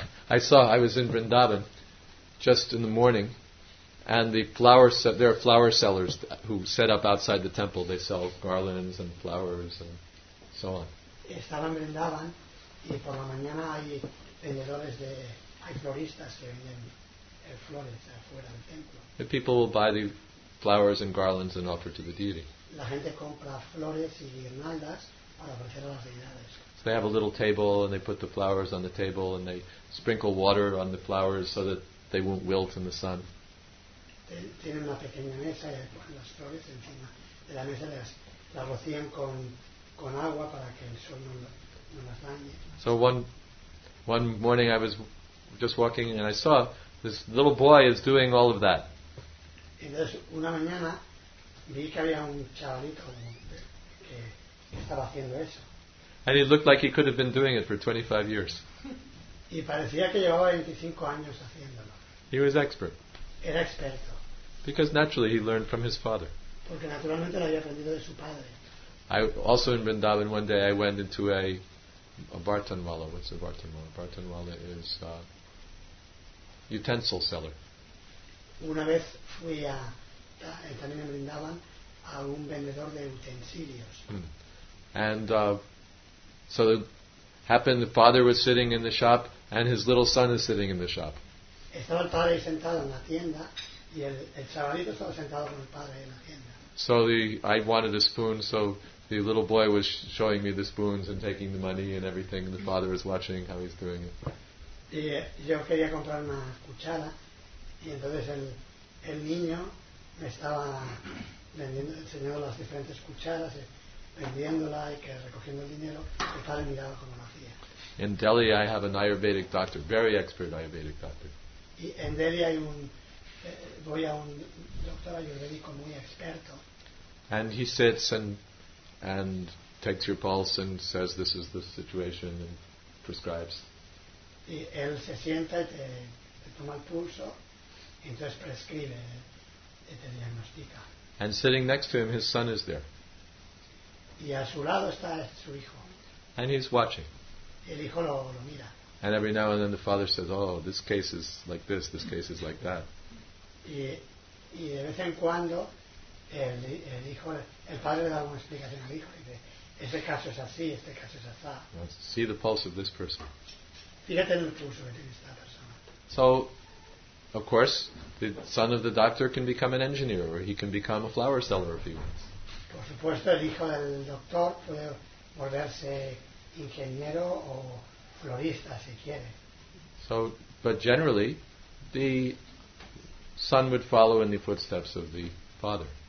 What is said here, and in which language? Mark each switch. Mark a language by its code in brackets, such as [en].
[en] I was in Vrindavan just in the morning, and there are flower sellers who set up outside the temple. They sell garlands and flowers and so on. [es] Estaban vendaban y por la mañana hay vendedores de hay floristas que venden flores afuera del templo. [en] The people will buy the flowers and garlands and offer to the deity. [es] La gente compra flores y guirnaldas para ofrecer a las deidades. [en] So they have a little table and they put the flowers on the table and they sprinkle water on the flowers so that they won't wilt in the sun. [es] Tienen una pequeña mesa y las flores encima de la mesa las rocían con agua para que el sol no las dañe. [en] So one morning I was just walking and I saw this little boy is doing all of that. [es] Entonces una mañana vi que había un chavalito que estaba haciendo eso. [en] And he looked like he could have been doing it for 25 years. [es] Y parecía que llevaba 25 años haciéndolo. [en] He was expert. [es] Era experto. [en] Because naturally he learned from his father. [es] Porque naturalmente lo había aprendido de su padre. [en] I also in Vrindavan one day I went into a a bartanwala. What's a bartanwala? Bartanwala is a utensil seller. [es] Una vez fui a también me brindaban a un vendedor de utensilios. [en] And so it happened the father was sitting in the shop and his little son is sitting in the shop. [es] Estaba el padre sentado en la tienda y el chavalito estaba sentado con el padre en la tienda. [en] So I wanted a spoon, so the little boy was showing me the spoons and taking the money and everything, and the father was watching how he's doing it. [es] Y yo quería comprar una cuchara, y entonces el niño me estaba vendiendo, enseñando las diferentes cucharas, vendiéndola y que recogiendo el dinero, y el padre miraba cómo lo hacía. [en] In Delhi, I have an Ayurvedic doctor, very expert Ayurvedic doctor. [es] Y en Delhi hay un voy a un doctor ayurvédico muy experto. [en] And he sits and takes your pulse and says this is the situation and prescribes. [es] Y él se sienta y te toma el pulso y entonces prescribe y te diagnostica. [en] And sitting next to him, his son is there. [es] Y a su lado está su hijo. [en] And he's watching. [es] Y el hijo lo mira. [en] And every now and then the father says, oh, this case is like this, this case is like that. [es] Y de vez en cuando el hijo, el padre le da una explicación al hijo y dice, ese caso es así, este caso es así. [en] See the pulse of this person. [es] Fíjate en el pulso que tiene esta persona. [en] So, of course, the son of the doctor can become an engineer or he can become a flower seller if he wants. [es] Por supuesto, el hijo del doctor puede volverse ingeniero o florista si quiere. [en] So, but generally, the son would follow in the footsteps of the father.